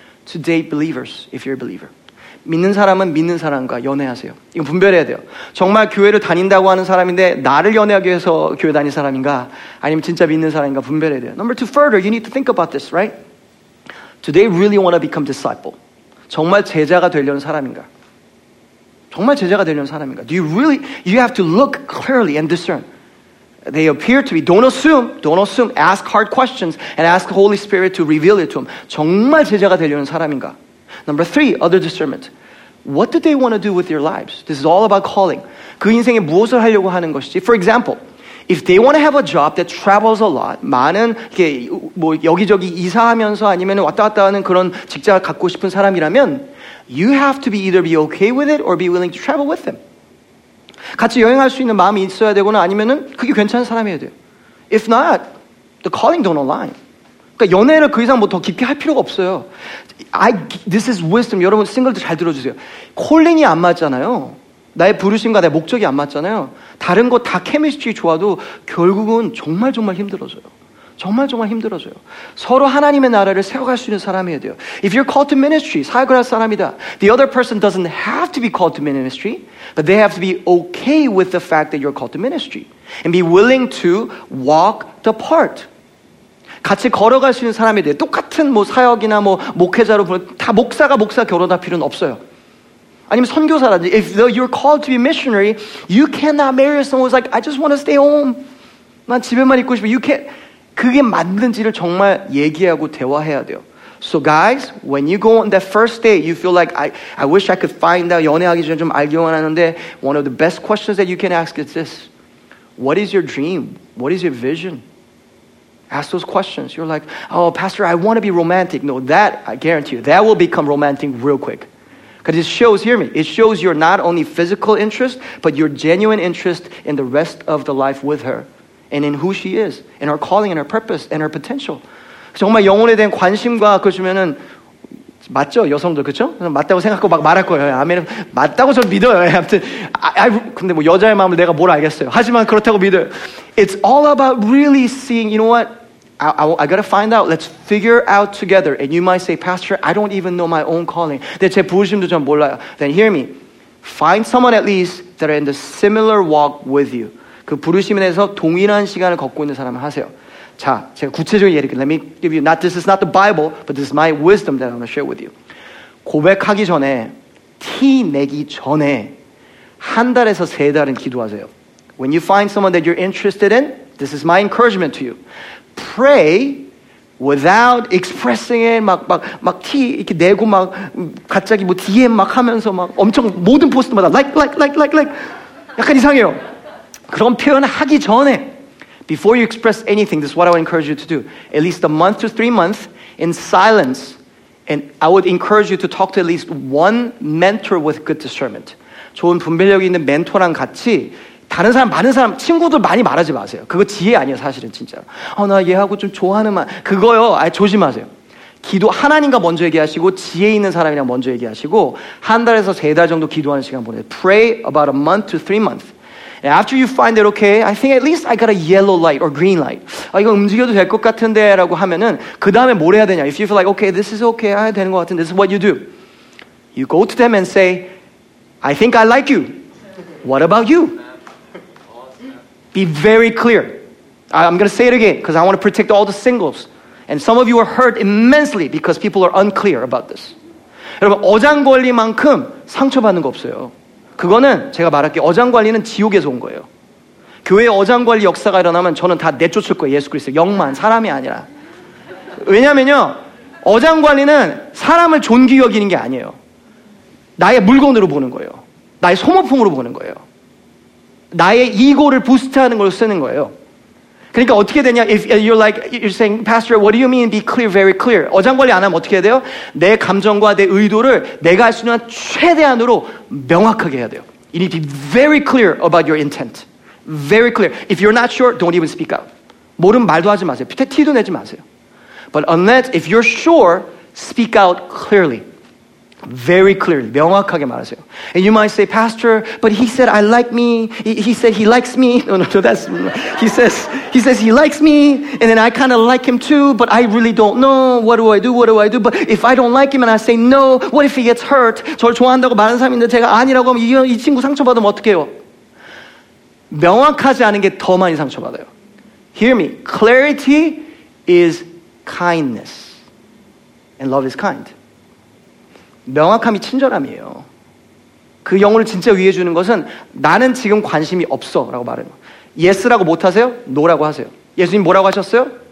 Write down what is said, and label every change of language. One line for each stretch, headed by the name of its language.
English: To date believers, if you're a believer.
Korean: 믿는 사람은 믿는 사람과 연애하세요. 이건 분별해야 돼요. 정말 교회를 다닌다고 하는 사람인데 나를 연애하기 위해서 교회 다닌 사람인가? 아니면 진짜 믿는 사람인가? 분별해야 돼요.
English: Number two, further, you need to think about this, right? Do they really want to become disciple?
Korean: 정말 제자가 되려는 사람인가? 정말 제자가 되려는 사람인가?
English: Do you really, you have to look clearly and discern. They appear to be, don't assume, ask hard questions and ask the Holy Spirit to reveal it to them.
Korean: 정말 제자가 되려는 사람인가?
English: Number three, other discernment. What do they want to do with their lives? This is all about calling.
Korean: 그 인생에 무엇을 하려고 하는 것이지?
English: For example, if they want to have a job that travels a lot,
Korean: 많은 이렇게 뭐 여기저기 이사하면서 아니면 왔다 갔다 하는 그런 직장을 갖고 싶은 사람이라면
English: You have to be either be okay with it or be willing to travel with them.
Korean: 같이 여행할 수 있는 마음이 있어야 되거나 아니면은 그게 괜찮은 사람이어야 돼요.
English: If not, the calling don't align.
Korean: 그러니까 연애를 그 이상 뭐 더 깊게 할 필요가 없어요.
English: This is wisdom.
Korean: 여러분 싱글들 잘 들어주세요. 콜링이 안 맞잖아요. 나의 부르심과 나의 목적이 안 맞잖아요. 다른 거 다 케미스트리 좋아도 결국은 정말 정말 힘들어져요. 정말 정말 힘들어져요. 서로 하나님의 나라를 세워갈 수 있는 사람이어야 돼요.
English: If you're called to ministry,
Korean: 사역을 할 사람이다.
English: The other person doesn't have to be called to ministry, but they have to be okay with the fact that you're called to ministry and be willing to walk the part.
Korean: 같이 걸어갈 수 있는 사람이 돼요. 똑같은 뭐 사역이나 뭐 목회자로 보면 다 목사가 목사 결혼할 필요는 없어요. 아니면 선교사라든지
English: If you're called to be missionary, you cannot marry someone who's like, I just want to stay home.
Korean: 난 집에만 있고 싶어.
English: You can't.
Korean: 그게 맞는지를 정말 얘기하고 대화해야 돼요.
English: So guys, when you go on that first date, you feel like, I wish I could find out,
Korean: 연애하기 전에 좀 알기만 하는데,
English: one of the best questions that you can ask is this. What is your dream? What is your vision? Ask those questions. You're like, oh, pastor, I want to be romantic. No, that, I guarantee you, that will become romantic real quick. Because it shows, hear me, it shows your not only physical interest, but your genuine interest in the rest of the life with her. And in who she is, and her calling, and her purpose, and her potential.
Korean: 정말 영혼에 대한 관심과 그러시면은 맞죠, 여성들 그렇죠? 맞다고 생각하고 막 말할 거예요. 아멘. 맞다고 저는 믿어요. 아무튼, 근데 뭐 여자의 마음을 내가 뭘 알겠어요? 하지만 그렇다고 믿어요.
English: It's all about really seeing. You know what? I gotta find out. Let's figure out together. And you might say, Pastor, I don't even know my own calling.
Korean: 근데 제 부르심도 전 몰라요.
English: Then hear me. Find someone at least that are in the similar walk with you.
Korean: 그 부르심에 대해서 동일한 시간을 걷고 있는 사람을 하세요. 자, 제가 구체적인 예를 들게요.
English: Let me give you, not, this is not the Bible, but this is my wisdom that I want to share with you.
Korean: 고백하기 전에, 티 내기 전에 한 달에서 세 달은 기도하세요.
English: When you find someone that you're interested in, this is my encouragement to you. Pray without expressing it,
Korean: 막 티 이렇게 내고 막 갑자기 뭐 DM 막 하면서 막 엄청 모든 포스트마다 like. 약간 이상해요. 그런 표현을 하기 전에
English: before you express anything, this is what I would encourage you to do. At least a month to 3 months in silence and I would encourage you to talk to at least one mentor with good discernment.
Korean: 좋은 분별력이 있는 멘토랑 같이 다른 사람, 많은 사람, 친구들 많이 말하지 마세요. 그거 지혜 아니에요, 사실은 진짜. 나 얘하고 좀 좋아하는 말. 그거요, 조심하세요. 기도 하나님과 먼저 얘기하시고 지혜 있는 사람이랑 먼저 얘기하시고 한 달에서 세 달 정도 기도하는 시간 보내요.
English: Pray about a month to three months. And after you find that, okay, I think at least I got a yellow light or green light.
Korean: 아, 이거 움직여도 될 것 같은데 라고 하면은 그 다음에 뭘 해야 되냐.
English: If you feel like, okay, this is okay,
Korean: 아, 되는 것 같은데,
English: this is what you do. You go to them and say, I think I like you. What about you? Be very clear. I'm going to say it again because I want to protect all the singles. And some of you are hurt immensely because people are unclear about this.
Korean: 여러분, 어장관리만큼 상처받는 거 없어요. 그거는 제가 말할게요. 어장관리는 지옥에서 온 거예요. 교회 어장관리 역사가 일어나면 저는 다 내쫓을 거예요. 예수 그리스도. 영만, 사람이 아니라. 왜냐면요, 어장관리는 사람을 존귀 여기는 게 아니에요. 나의 물건으로 보는 거예요. 나의 소모품으로 보는 거예요. 나의 이고를 부스트하는 걸 쓰는 거예요. 그러니까 어떻게 되냐?
English: If you're like, you're saying, Pastor, what do you mean? Be clear, very clear.
Korean: 어장관리 안 하면 어떻게 해야 돼요? 내 감정과 내 의도를 내가 할 수 있는 최대한으로 명확하게 해야 돼요.
English: You need to be very clear about your intent. Very clear. If you're not sure, don't even speak out.
Korean: 모르면 말도 하지 마세요. 티도 내지 마세요.
English: But unless, if you're sure, speak out clearly. Very clearly,
Korean: 명확하게 말하세요.
English: And you might say, Pastor, but he said I like me. He said he likes me. No, no, no, that's... He says he likes me, and then I kind of like him too, but I really don't know. What do I do? What do I do? But if I don't like him and I say no, what if he gets hurt?
Korean: 저를 좋아한다고 말하는 사람인데 제가 아니라고 하면 이 친구 상처받으면 어떡해요? 명확하지 않은 게 더 많이 상처받아요.
English: Hear me. Clarity is kindness. And love is kind.
Korean: 명확함이 친절함이에요. 그 영혼을 진짜 위해 주는 것은 나는 지금 관심이 없어 라고 말해요. Yes라고 못하세요? No라고 하세요. 예수님 뭐라고 하셨어요?